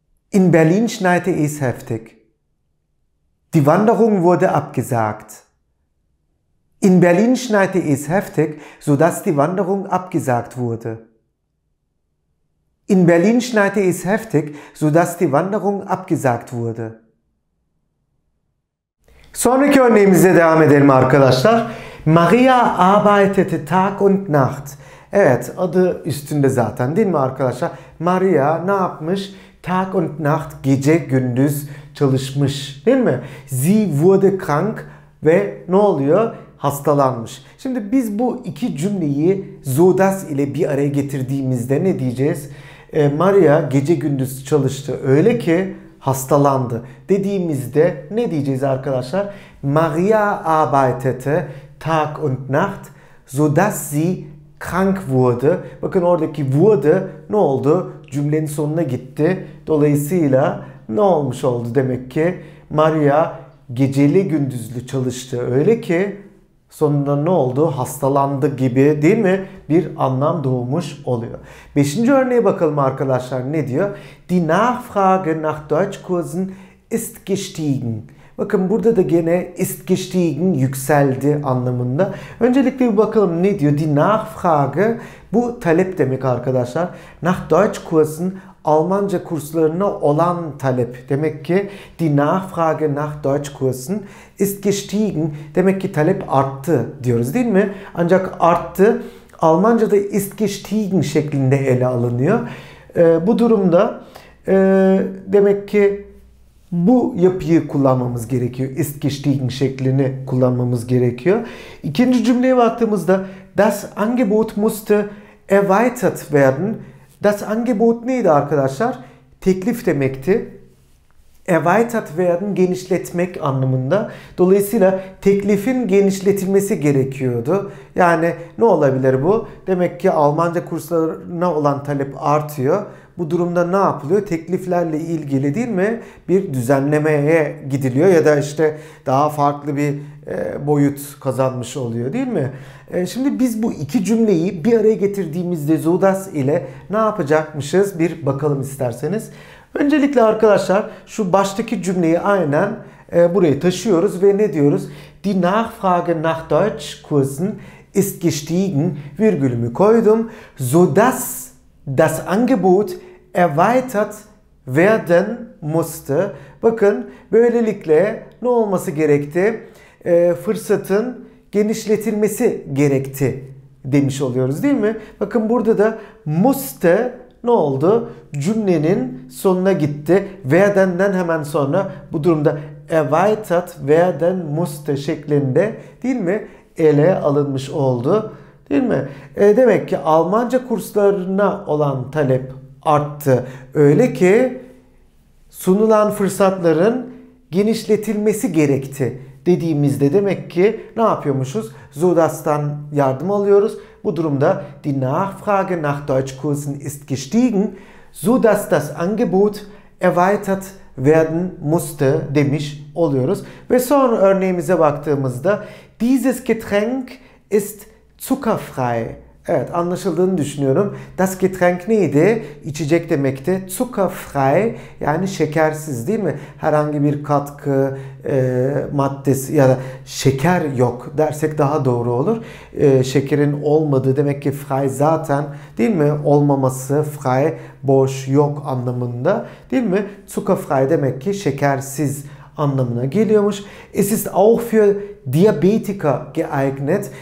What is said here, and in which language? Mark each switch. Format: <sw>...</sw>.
<de>In Berlin schneite es heftig. Die Wanderung wurde abgesagt. In Berlin schneite es heftig, so dass die Wanderung abgesagt wurde. In Berlin schneite es heftig, sodass die Wanderung abgesagt wurde.</de> <tr>Sonraki örneğimize devam edelim arkadaşlar.</tr> <de>Maria arbeitete Tag und Nacht.</de> <tr>Evet, adı üstünde zaten değil mi arkadaşlar? Maria ne yapmış?</tr> <de>Tag und Nacht,</de> <tr>gece gündüz çalışmış değil mi?</tr> <de>Sie wurde krank</de> <tr>ve ne oluyor? Hastalanmış. Şimdi biz bu iki cümleyi so das ile bir araya getirdiğimizde ne diyeceğiz? Maria gece gündüz çalıştı öyle ki hastalandı dediğimizde ne diyeceğiz arkadaşlar?</tr> <de>Maria arbeitete Tag und Nacht, so dass sie krank wurde.</de> <tr>Bakın oradaki wurde ne oldu? Cümlenin sonuna gitti. Dolayısıyla ne olmuş oldu? Demek ki Maria geceli gündüzlü çalıştı öyle ki sonunda ne oldu? Hastalandı gibi değil mi? Bir anlam doğmuş oluyor. Beşinci örneğe bakalım arkadaşlar ne diyor?</tr> <de>Die Nachfrage nach Deutschkursen ist gestiegen.</de> <tr>Bakın burada da gene</tr> <de>ist gestiegen,</de> <tr>yükseldi anlamında. Öncelikle bir bakalım ne diyor? Die Nachfrage, bu talep demek arkadaşlar.</tr> <de>Nach Deutschkursen,</de> <tr>Almanca kurslarına olan talep. Demek ki</tr> <de>die Nachfrage nach Deutschkursen ist gestiegen.</de> <tr>Demek ki talep arttı diyoruz değil mi? Ancak arttı. Almanca'da</tr> <de>ist gestiegen</de> <tr>şeklinde ele alınıyor. Bu durumda demek ki bu yapıyı kullanmamız gerekiyor.</tr> <de>Ist gestiegen</de> <tr>şeklini kullanmamız gerekiyor. İkinci cümleye baktığımızda</tr> <de>das Angebot musste erweitert werden.</de> <tr>Das Angebot neydi arkadaşlar? Teklif demekti.</tr> <de>Erweitert werden,</de> <tr>genişletmek anlamında. Dolayısıyla teklifin genişletilmesi gerekiyordu. Yani ne olabilir bu? Demek ki Almanca kurslarına olan talep artıyor. Bu durumda ne yapılıyor? Tekliflerle ilgili değil mi? Bir düzenlemeye gidiliyor ya da işte daha farklı bir boyut kazanmış oluyor değil mi? Şimdi biz bu iki cümleyi bir araya getirdiğimizde so das ile ne yapacakmışız? Bir bakalım isterseniz. Öncelikle arkadaşlar şu baştaki cümleyi aynen buraya taşıyoruz ve ne diyoruz?</tr> <de>Die Nachfrage nach Deutschkursen ist gestiegen,</de> <tr>virgülümü koydum.</tr> <de>So das, das Angebot erweitert werden musste.</de> <tr>Bakın böylelikle ne olması gerekti? Fırsatın genişletilmesi gerekti demiş oluyoruz değil mi? Bakın burada da musste ne oldu? Cümlenin sonuna gitti. Werden'den hemen sonra bu durumda</tr> <de>erweitert werden musste</de> <tr>şeklinde değil mi? Ele alınmış oldu değil mi? Demek ki Almanca kurslarına olan talep arttı. Öyle ki sunulan fırsatların genişletilmesi gerekti dediğimizde demek ki ne yapıyormuşuz? So das'tan yardım alıyoruz. Bu durumda</tr> <de>die Nachfrage nach Deutschkursen ist gestiegen, so dass das Angebot erweitert werden musste</de> <tr>demiş oluyoruz. Ve son örneğimize baktığımızda</tr> <de>dieses Getränk ist zuckerfrei.</de> <tr>Evet, anlaşıldığını düşünüyorum. Das Getränk neydi? İçecek demekti. Zuckerfrei yani şekersiz değil mi? Herhangi bir katkı maddesi ya da şeker yok dersek daha doğru olur. Şekerin olmadığı demek ki frei zaten değil mi? Olmaması, frei boş, yok anlamında değil mi? Zuckerfrei demek ki şekersiz anlamına geliyormuş.</tr> <de>Es ist auch für Diabetiker geeignet.</de>